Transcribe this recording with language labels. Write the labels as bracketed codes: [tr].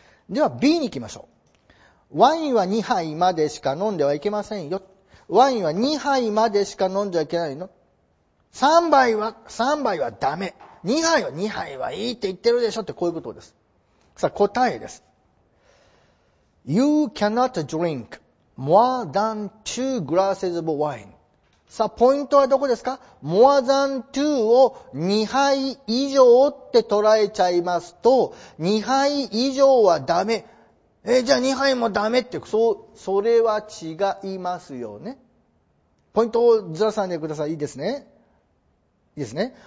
[ja] では B に行きましょう。ワインは2杯までしか飲んではいけませんよ。ワインは2杯までしか飲んじゃいけないの。3杯はダメ、2杯は2杯はいいって言ってるでしょって、こういうことです。さあ答えです。 [en] You cannot drink more than 2 glasses of wine。 [ja] さあポイントはどこですか ？ [en] More than 2 [ja] を2杯以上って捉えちゃいますと、2杯以上はダメ。じゃあ2杯もダメって、それは違いますよね。ポイントをずらさないでください。いいですね。いいですね。